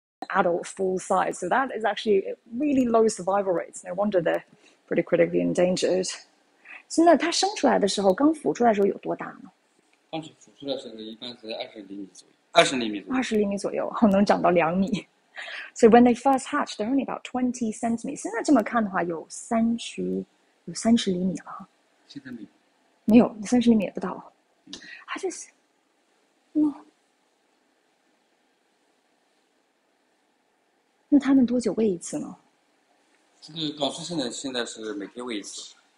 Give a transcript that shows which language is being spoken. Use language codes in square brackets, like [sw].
[en] Adult full size, so that is actually really low survival rates. No wonder they're pretty critically endangered. [zh] 现在它生出来的时候，刚孵出来的时候有多大呢？当时孵出来的时候，一般是20厘米左右，20厘米左右。 20厘米左右，能长到2米。 [en] So when they first hatch, they're only about 20 centimeters. [zh] 现在这么看的话，有三十厘米了，现在没有。没有，30厘米也不到。还就是，那他们多久喂一次呢？这个搞出现在是每天喂一次。